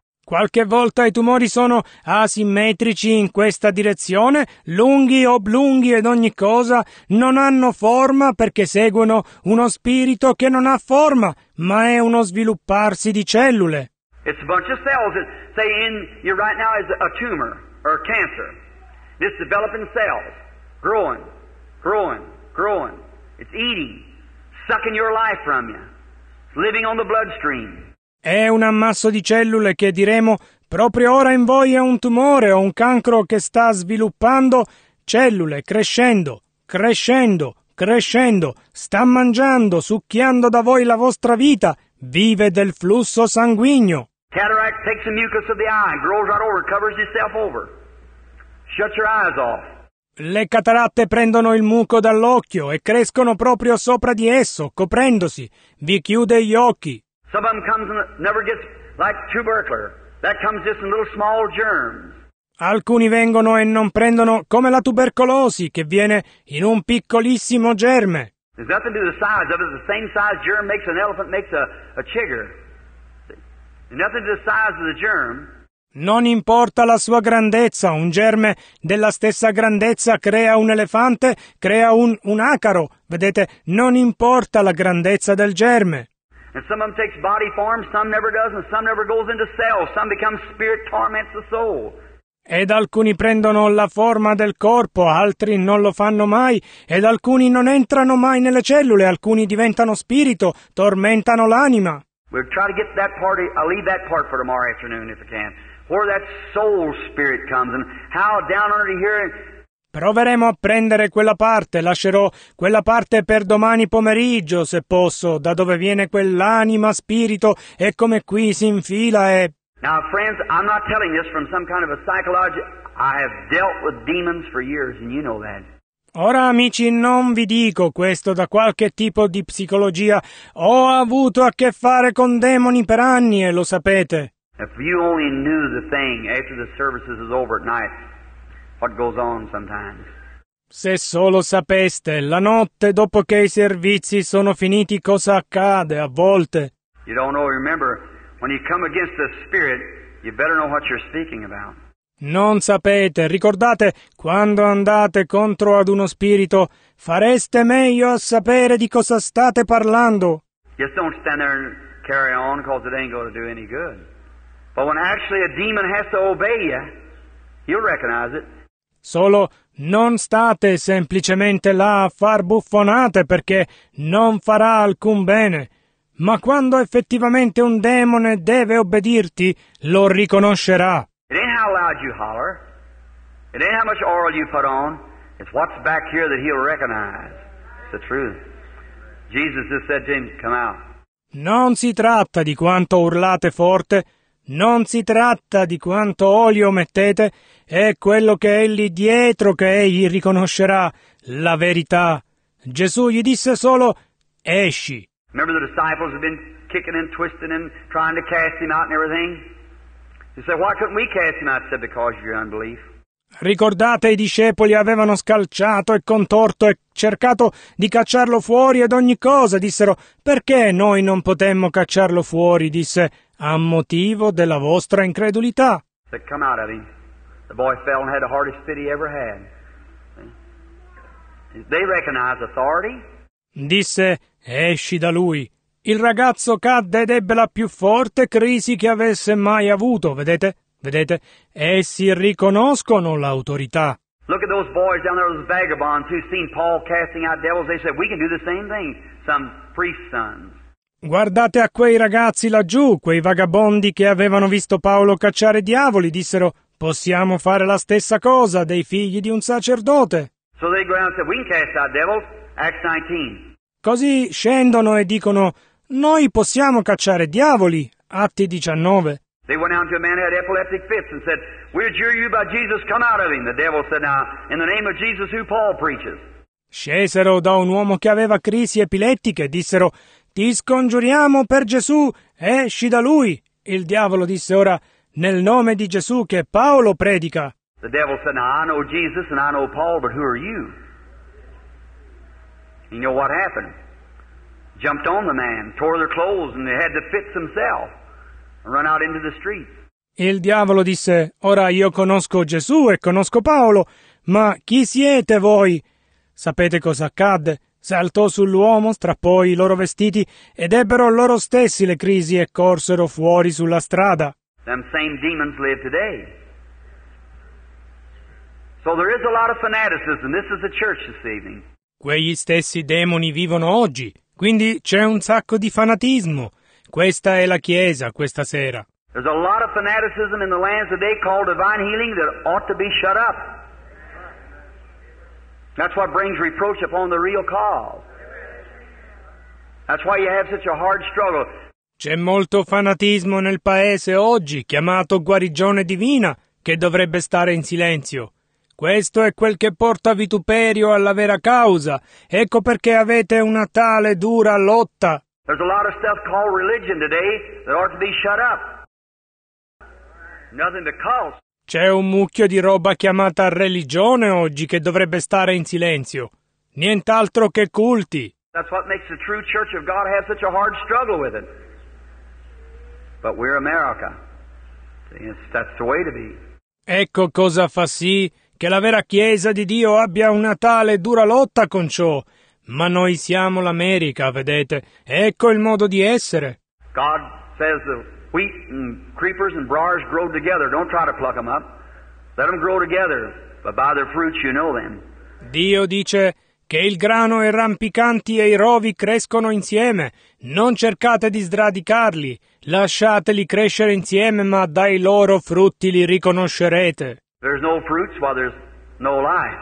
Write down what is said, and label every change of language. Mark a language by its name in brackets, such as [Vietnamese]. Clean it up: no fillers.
[Italian] Qualche volta i tumori sono asimmetrici in questa direzione, lunghi, oblunghi ed ogni cosa, non hanno forma perché seguono uno spirito che non ha forma, ma è uno svilupparsi di cellule. [English] It's a bunch of cells that say in you right now is a tumor or a cancer. This developing cells, growing, growing, growing. It's eating, sucking your life from you. It's living on the bloodstream. [Italian] È un ammasso di cellule che diremo proprio ora in voi è un tumore o un cancro che sta sviluppando cellule, crescendo, crescendo, crescendo, sta mangiando, succhiando da voi la vostra vita, vive del flusso sanguigno. [English] Cataract takes the mucus of the eye and grows right over, covers itself over. Shut your eyes off. [Italian] Le cataratte prendono il muco dall'occhio e crescono proprio sopra di esso, coprendosi, vi chiude gli occhi. [English] Some of them comes and never gets like tubercular. That comes just in little small germs. [Italian] Alcuni vengono e non prendono come la tubercolosi che viene in un piccolissimo germe. [English] There's nothing to the size of it. The same size germ makes an elephant makes a chigger. Nothing to the size of the germ. [Italian] Non importa la sua grandezza, un germe della stessa grandezza crea un elefante, crea un acaro. Vedete, non importa la grandezza del germe. [English] And some of them takes body form, some never does, and some never goes into cells. Some become spirit, torments the soul. [Italian] Ed alcuni prendono la forma del corpo, altri non lo fanno mai, ed alcuni non entrano mai nelle cellule, alcuni diventano spirito, tormentano l'anima. [English] We'll try to get that part, I'll leave that part for tomorrow afternoon if I can, where that soul spirit comes and how down under here... [Italian] Proveremo a prendere quella parte, lascerò quella parte per domani pomeriggio, se posso, da dove viene quell'anima spirito e come qui si infila e... [English] Now, friends, I'm not telling this from some kind of a psychology. I have dealt with demons for years, and you know that. [Italian] Ora, amici, non vi dico questo da qualche tipo di psicologia. Ho avuto a che fare con demoni per anni, e lo sapete. [English] If you only knew the thing after the services is over at night... What goes on sometimes. [Italian] Se solo sapeste, la notte dopo che i servizi sono finiti, cosa accade a volte? [English] You don't know, remember, when you come against the spirit, you better know what you're speaking about. [Italian] Non sapete, ricordate, quando andate contro ad uno spirito, fareste meglio a sapere di cosa state parlando. [English] Just don't stand there and carry on, because it ain't going to do any good. But when actually a demon has to obey you, you'll recognize it. [Italian] Solo non state semplicemente là a far buffonate perché non farà alcun bene. Ma quando effettivamente un demone deve obbedirti, lo riconoscerà. [English] It ain't how loud you holler. It ain't how much oil you put on. It's what's back here that he'll recognize. It's the truth. Jesus just said to him, come out. [Italian] Non si tratta di quanto urlate forte. Non si tratta di quanto olio mettete, è quello che è lì dietro che egli riconoscerà, la verità. Gesù gli disse solo, esci. [English] Remember the disciples have been kicking and twisting and trying to cast him out and everything? He said, why couldn't we cast him out? He said, because of your unbelief. [Italian] Ricordate, i discepoli avevano scalciato e contorto e cercato di cacciarlo fuori ed ogni cosa, dissero, perché noi non potemmo cacciarlo fuori, disse, a motivo della vostra incredulità. [English] Said, come out of him. The boy fell and had the hardest fit he ever had. They recognize authority. [Italian] Disse, esci da lui. Il ragazzo cadde ed ebbe la più forte crisi che avesse mai avuto, vedete? Vedete? Essi riconoscono l'autorità. [English] Look at those boys down there, those vagabonds who've seen Paul casting out devils. They said, we can do the same thing, some priest's sons. [Italian] Guardate a quei ragazzi laggiù, quei vagabondi che avevano visto Paolo cacciare diavoli, dissero, possiamo fare la stessa cosa, dei figli di un sacerdote. [English] So they go and say, we can cast out devils, Acts 19. [Italian] Così scendono e dicono, noi possiamo cacciare diavoli, Atti 19. [English] They went out to a man who had epileptic fits and said, we adjure you by Jesus, come out of him. The devil said, now, in the name of Jesus who Paul preaches. [Italian] Scesero da un uomo che aveva crisi epilettiche e dissero, ti scongiuriamo per Gesù, esci da lui. Il diavolo disse ora, nel nome di Gesù che Paolo predica. [English] The devil said, now I know Jesus and I know Paul, but who are you? You know what happened? Jumped on the man, tore their clothes and they had the fits himself. Run out into the streets. [Italian] Il diavolo disse, ora io conosco Gesù e conosco Paolo, ma chi siete voi? Sapete cosa accadde? Saltò sull'uomo, strappò i loro vestiti ed ebbero loro stessi le crisi e corsero fuori sulla strada. [English] Them same demons live today. So there is a lot of fanaticism. This is the church this evening. [Italian] Quegli stessi demoni vivono oggi, quindi c'è un sacco di fanatismo. Questa è la Chiesa questa sera. [English] There's a lot of fanaticism in the lands today called divine healing that ought to be shut up. That's what brings reproach upon the real cause. That's why you have such a hard struggle. [Italian] C'è molto fanatismo nel paese oggi, chiamato guarigione divina, che dovrebbe stare in silenzio. Questo è quel che porta vituperio alla vera causa. Ecco perché avete una tale dura lotta. [English] There's a lot of stuff called religion today that ought to be shut up. Nothing to call. [Italian] C'è un mucchio di roba chiamata religione oggi che dovrebbe stare in silenzio. Nient'altro che culti. [English] That's what makes the true church of God have such a hard struggle with it. But we're America. That's the way to be. [Italian] Ecco cosa fa sì che la vera Chiesa di Dio abbia una tale dura lotta con ciò. Ma noi siamo l'America, vedete? Ecco il modo di essere. [English] God says the wheat and creepers and briars grow together. Don't try to pluck them up. Let them grow together, but by their fruits you know them. [Italian] Dio dice che il grano e i rampicanti e i rovi crescono insieme. Non cercate di sradicarli. Lasciateli crescere insieme, ma dai loro frutti li riconoscerete. [English] There's no fruits while there's no life.